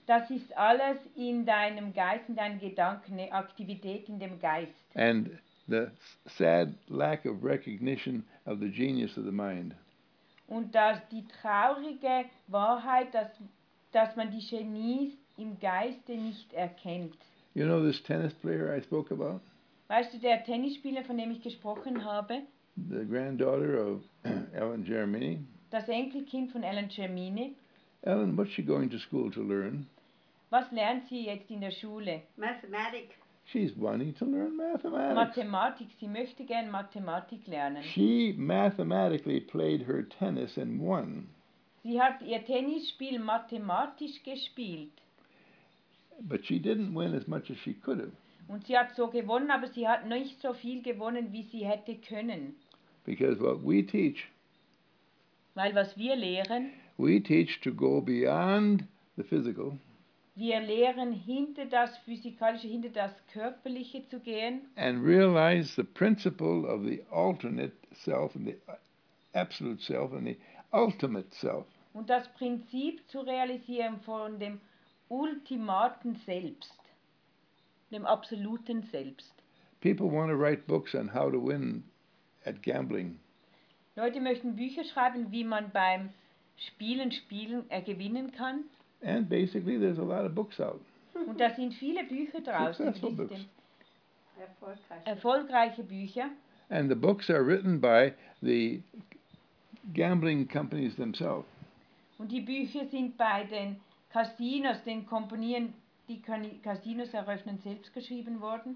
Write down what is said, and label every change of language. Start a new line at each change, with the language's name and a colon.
German: Das ist alles in deinem Geist, in deinen Gedanken, Aktivität in dem Geist.
English: And the sad lack of recognition of the genius of the mind.
German: Und dass die traurige Wahrheit, dass man die Genies im Geiste nicht erkennt.
English: You know this tennis player I spoke about?
German: Weißt du, der Tennisspieler, von dem ich gesprochen habe?
English: The granddaughter of Ellen Germini.
German: Das Enkelkind von Ellen Germini.
English: Ellen, what's she going to school to learn?
German: Was lernt sie jetzt in der Schule?
English: Mathematics. She's wanting to learn mathematics.
German: Mathematik, sie möchte gern Mathematik lernen.
English: She mathematically played her tennis and won.
German: Sie hat ihr Tennisspiel mathematisch gespielt.
English: But she didn't win as much as she could have.
German: Und sie hat so gewonnen, aber sie hat nicht so viel gewonnen, wie sie hätte können.
English: Because what we teach,
German: weil was wir lehren,
English: we teach to go beyond the physical.
German: Wir lehren, hinter das Physikalische, hinter das Körperliche zu gehen.
English: And realize the principle of the alternate self and the absolute self and the ultimate self.
German: Und das Prinzip zu realisieren von dem ultimaten Selbst, dem absoluten Selbst.
English: People want to write books on how to win at gambling.
German: Leute möchten Bücher schreiben, wie man beim Spielen gewinnen kann.
English: And basically, there's a lot of books out.
German: Und da sind viele Bücher draußen.
English: Successful books.
German: Erfolgreiche Bücher.
English: And the books are written by the gambling companies themselves.
German: Und die Bücher sind bei den Casinos, den Kompanien, die Casinos eröffnen, selbst geschrieben worden.